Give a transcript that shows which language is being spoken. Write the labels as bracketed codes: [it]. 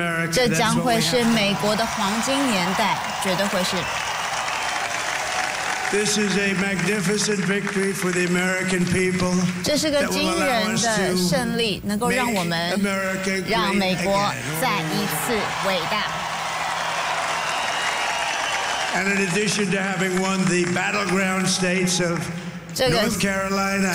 [zh] 这将会是美国的黄金年代，绝对会是。 [en] This is a magnificent victory for the American people. [zh] 这是个惊人的胜利，能够让我们让美国再一次伟大。 [en] And in addition to having won the battleground states of North Carolina,